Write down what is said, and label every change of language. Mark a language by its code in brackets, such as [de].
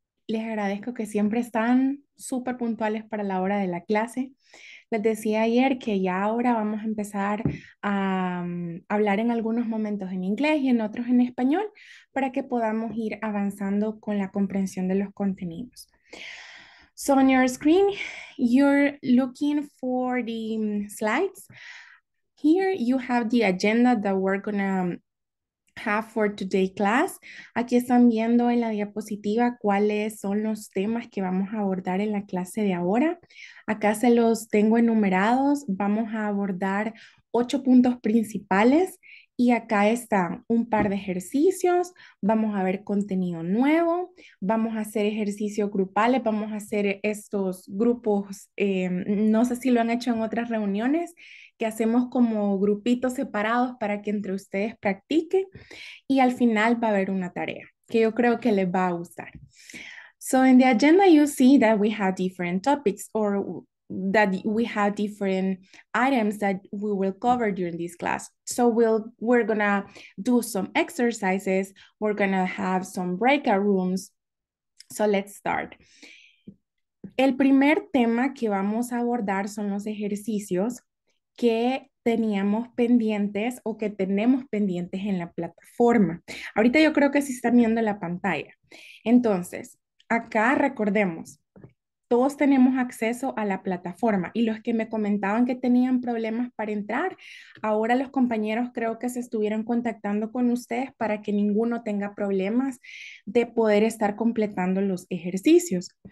[es] Les agradezco que siempre están súper puntuales para la hora de la clase. Les decía ayer que ya ahora vamos a empezar a hablar en algunos momentos en inglés y en otros en español para que podamos ir avanzando con la comprensión de los contenidos. [en] So on your screen, you're looking for the slides. Here you have the agenda that we're gonna have for today class. [es] Aquí están viendo en la diapositiva cuáles son los temas que vamos a abordar en la clase de ahora. Acá se los tengo enumerados. Vamos a abordar 8 puntos principales y acá están un par de ejercicios. Vamos a ver contenido nuevo. Vamos a hacer ejercicios grupales. Vamos a hacer estos grupos. No sé si lo han hecho en otras reuniones, que hacemos como grupitos separados para que entre ustedes practiquen y al final va a haber una tarea que yo creo que les va a gustar. [en] So in the agenda you see that we have different topics or that we have different items that we will cover during this class. So we're gonna do some exercises, we're gonna have some breakout rooms. So let's start. [es] El primer tema que vamos a abordar son los ejercicios que teníamos pendientes o que tenemos pendientes en la plataforma. Ahorita yo creo que sí están viendo la pantalla. Entonces, acá recordemos, todos tenemos acceso a la plataforma y los que me comentaban que tenían problemas para entrar, ahora los compañeros creo que se estuvieron contactando con ustedes para que ninguno tenga problemas de poder estar completando los ejercicios.